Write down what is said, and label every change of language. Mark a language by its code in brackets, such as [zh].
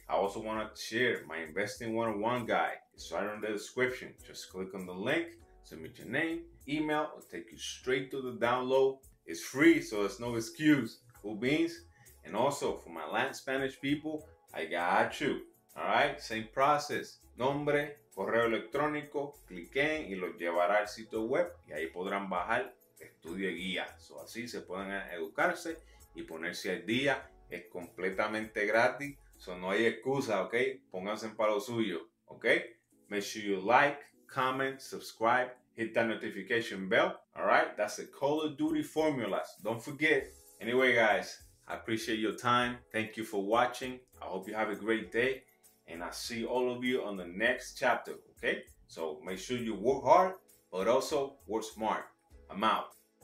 [en] I also want to share my Investing 101 guide. It's right in the description. Just click on the link, submit your name, email, it'll take you straight to the download. It's free, so there's no excuse. Cool beans. And also, for my Latin Spanish people, I got you. All right, same process. [es] Nombre, correo electrónico, cliquen y lo llevará al sitio web y ahí podrán bajar estudio guía. So así se pueden educarse y ponerse al día. Es completamente gratis. So no hay excusa, okay? Pónganse para lo suyo, okay? [en] Make sure you like, comment, subscribe, hit that notification bell, alright? That's the Call of Duty formulas. Don't forget. Anyway, guys, I appreciate your time. Thank you for watching. I hope you have a great day. And I see all of you on the next chapter, okay? So make sure you work hard, but also work smart. I'm out.